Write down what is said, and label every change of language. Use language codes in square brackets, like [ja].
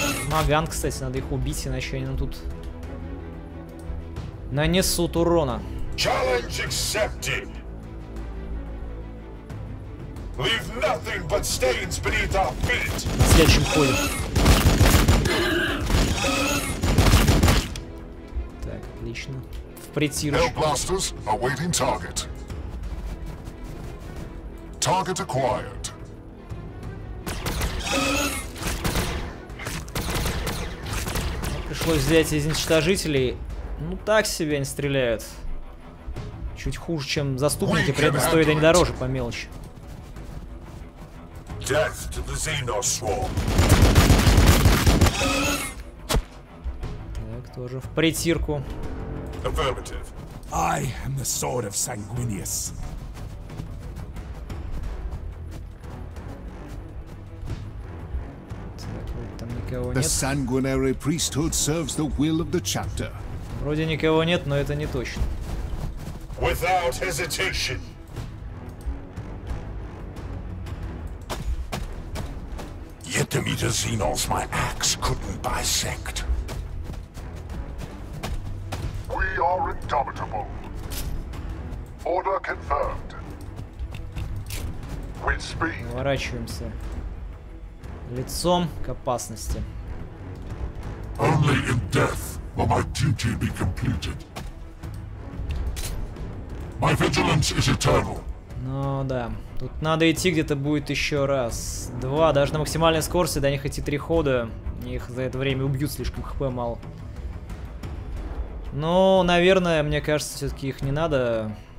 [ru] Маган, кстати, надо их убить, иначе они тут нанесут урона. [en] Challenge accepted. Leave nothing but stains beneath our feet. [ru] На следующем ходе. Так, отлично. В притирочку. [en] Hellblasters awaiting target. Target acquired. [ru] Пришлось взять из уничтожителей. Ну так себе они стреляют. Чуть хуже, чем заступники, при этом стоит они дороже по мелочи. [en] Death to the Xenoswarm. [ru] Так, тоже в притирку. [en] Affirmative. I am the sword of Sanguinius. [ru] Так, вот там никого нет. [en] The Sanguinary Priesthood serves the will of the chapter. [ru] Вроде никого нет, но это не точно. [en] Without hesitation. Yet to meet a Xenos, my axe couldn't bisect. We are indomitable. Order confirmed. With speed. [ru] Поворачиваемся лицом к опасности. [en] Only in death will my duty be completed. My vigilance is eternal. [ru] Ну да. Тут надо идти где-то будет еще раз. Два, даже на максимальной скорости, до них идти 3 хода. Их за это время убьют, слишком хп мало. Но, наверное, мне кажется, все-таки их не надо.